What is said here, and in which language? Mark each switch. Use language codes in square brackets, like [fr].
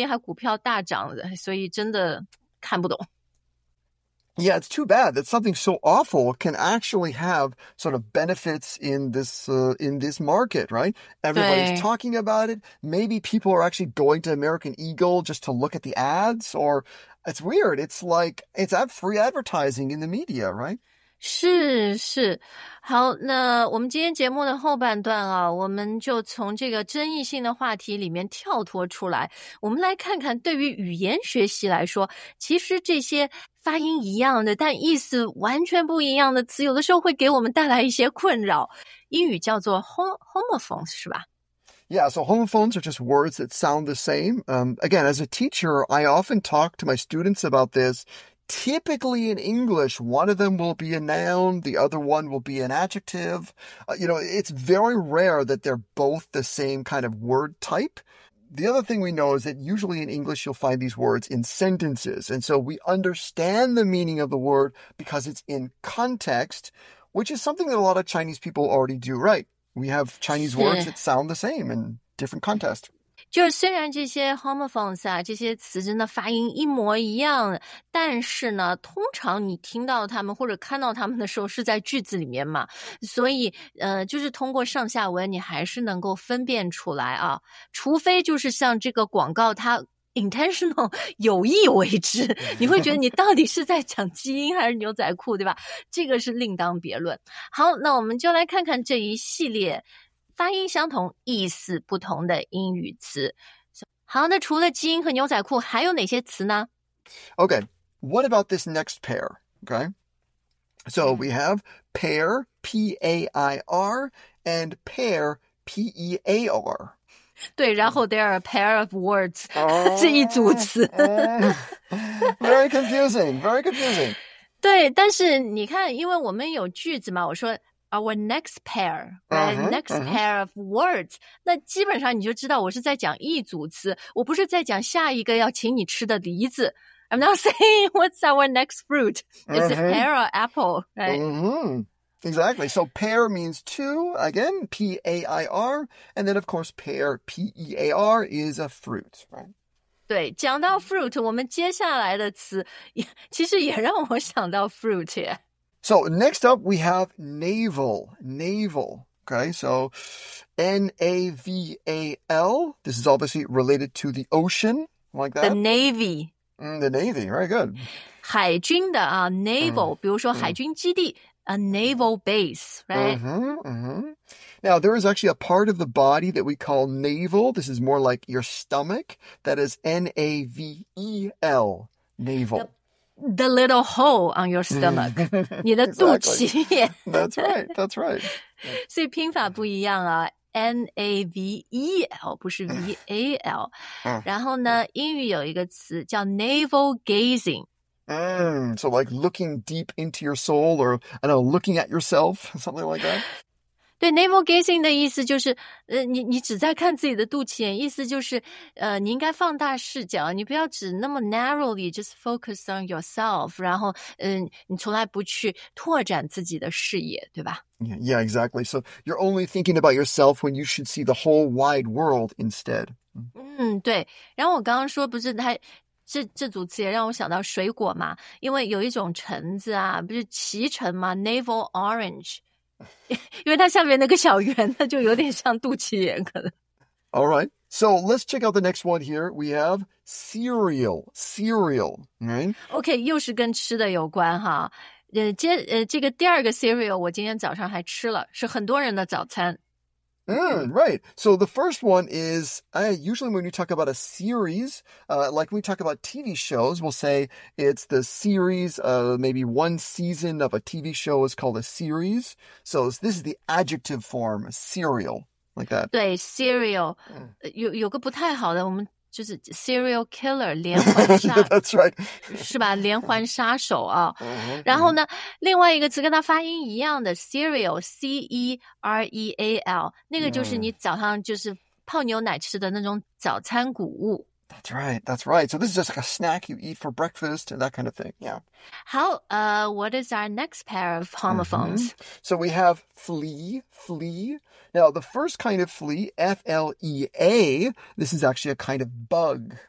[zh] 好像就没有新闻是坏新闻，或者对于一个公司来说，你没新闻才是最不好的事情啊。然后搞这公司最近还股票大涨，所以真的看不懂。 [en] Yeah, it's too bad that something so awful can actually have sort of benefits in this market, right? Everybody's talking about it. Maybe people are actually going to American Eagle just to look at the ads, or it's weird. It's like it's free advertising in the media, right? [zh] 是是，好，那我们今天节目的后半段啊，我们就从这个争议性的话题里面跳脱出来，我们来看看对于语言学习来说，其实这些发音一样的，但意思完全不一样的词，有的时候会给我们带来一些困扰。英语叫做homophones，是吧？ [en] Yeah, so homophones are just words that sound the same. Again, as a teacher, I often talk to my students about this. Typically in English, one of them will be a noun, the other one will be an adjective. You know, it's very rare that they're both the same kind of word type. The other thing we know is that usually in English, you'll find these words in sentences. And so we understand the meaning of the word because it's in context, which is something that a lot of Chinese people already do, right? We have Chinese words that sound the same in different contexts. [zh] 就是虽然这些 homophones 啊，这些词真的发音一模一样，但是呢，通常你听到他们或者看到他们的时候是在句子里面嘛，所以就是通过上下文你还是能够分辨出来啊，除非就是像这个广告它 intentional 有意为之，你会觉得你到底是在讲基因还是牛仔裤，对吧？这个是另当别论。好，那我们就来看看这一系列。发音相同，意思不同的英语词。好，那除了基因和牛仔裤，还有哪些词呢？ [en] Okay, what about this next pair? Okay, so we have pair, P-A-I-R, and pair, P-E-A-R. [zh] 对，然后 [en] there are a pair of words, [zh] 这一组词。 [en] Very confusing, very confusing. [zh] 对，但是你看，因为我们有句子嘛，我说 [en] Our next pair, pair of words. [zh] 那基本上你就知道我是在讲一组词，我不是在讲下一个要请你吃的梨子。 [en] I'm not saying what's our next fruit. Is it pear or apple? Right? Exactly. So pair means two, again, P-A-I-R. And then, of course, pear, P-E-A-R, is a fruit, right? [zh] 对，讲到 fruit, 我们接下来的词其实也让我想到 fruit 耶。 [en] So next up, we have navel, navel, okay? So N-A-V-A-L, this is obviously related to the ocean, like that. The Navy. The Navy, very good. [zh] 海军的啊 navel, 比如说海军基地 [en] a naval base, right? Now, there is actually a part of the body that we call navel. This is more like your stomach. That is N-A-V-E-L, navel. The little hole on your stomach. [zh] 你的肚脐。 [en] That's right, that's right. [zh] 所以拼法不一样啊。 N-A-V-E-L, 不是 V-A-L. 然后呢英语有一个词叫 navel gazing. [en] So like looking deep into your soul or, I don't know, looking at yourself, something like that. [zh] 对 navel gazing 的意思就是你只在看自己的肚脐眼，意思就是你应该放大视角，你不要只那么 [en] narrowly just focus on yourself, [zh] 然后你从来不去拓展自己的视野，对吧？ [en] Yeah, exactly. So you're only thinking about yourself when you should see the whole wide world instead. [zh] 对，然后我刚刚说不是太这组词也让我想到水果嘛，因为有一种橙子啊，不是脐橙嘛 ，navel orange。因为它下面那个小圆它就有点像肚脐眼可能。 [en] All right. So let's check out the next one here. We have cereal. Cereal. Right? [zh] Okay, 又是跟吃的有关哈。这个第二个 cereal 我今天早上还吃了，是很多人的早餐。 [en] Right. So the first one is, usually when you talk about a series, like we talk about TV shows, we'll say it's the series, maybe one season of a TV show is called a series. So this is the adjective form, serial, like that. [zh] 对 serial, 有个不太好的，我们就是 serial killer, 连环杀。 [en] That's right. [zh] 是吧？连环杀手啊。然后呢，另外一个词跟它发音一样的 cereal, C-E-R-E-A-L, 那个就是你早上就是泡牛奶吃的那种早餐谷物。 [en] That's right, that's right. So this is just like a snack you eat for breakfast and that kind of thing, yeah. How, what is our next pair of homophones? So we have flea, flea. Now, the first kind of flea, F-L-E-A, this is actually a kind of bug.